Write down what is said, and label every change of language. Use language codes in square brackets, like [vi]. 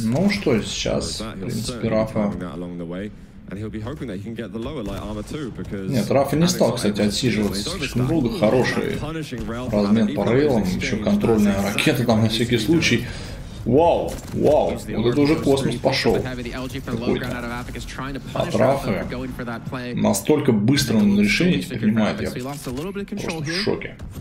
[ru] Ну что, сейчас, в принципе, Рафа... [en] And he'll be hoping that he can get the lower light armor too, because. [ru] Нет, Рафа не стал, кстати, отсиживаться. Слишком долго, хороший размен по рейлам, еще контрольная ракета там на всякий случай. Вау, вау, вот это уже космос пошел. Какой-то. От Рафы настолько быстро он решение теперь принимает, я просто в шоке.